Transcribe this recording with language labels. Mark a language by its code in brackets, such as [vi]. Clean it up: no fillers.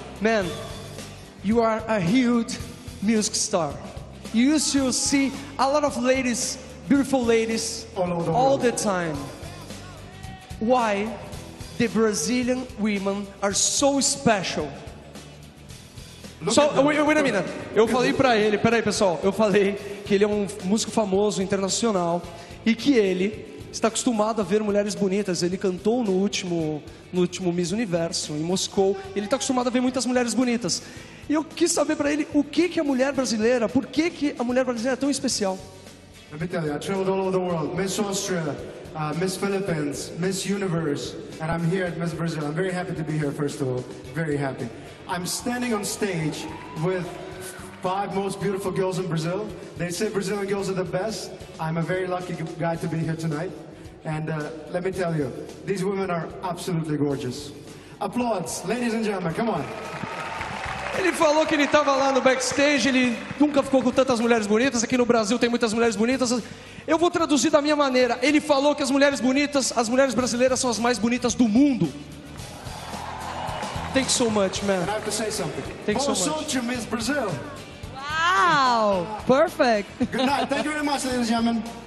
[en] Man, you are a huge music star. You used to see a lot of ladies, beautiful ladies, all the time. Why the Brazilian women are so special? Wait a minute! [pt] Eu falei pra ele, peraí pessoal, eu falei que ele é um músico famoso internacional e que ele está acostumado a ver mulheres bonitas. Ele cantou no último Miss Universo, em Moscou. Ele está acostumado a ver muitas mulheres bonitas. E eu quis saber para ele o que a mulher brasileira, por que que a mulher brasileira é tão especial. [en] Let me tell you, I traveled all over the world. Miss Austria, Miss Philippines, Miss Universe, and I'm here at Miss Brazil. I'm very happy to be here, first of all. Very happy. I'm standing on stage with 5 most beautiful girls in Brazil. They say Brazilian girls are the best. I'm a very lucky guy to be here tonight. And let me tell you, these women are absolutely gorgeous. Applause, ladies and gentlemen, come on. [pt] Ele falou que ele estava lá no backstage, ele nunca ficou com tantas mulheres bonitas. Aqui no Brasil tem muitas mulheres bonitas. Eu vou traduzir da minha maneira. Ele falou que as mulheres brasileiras são as mais bonitas do mundo. [en] Thank you so much, man. And I have to say something. Thank you so much. [pt] Bom sorte, Miss Brazil. [en] Wow, perfect. Good night. Thank you very much, ladies and gentlemen.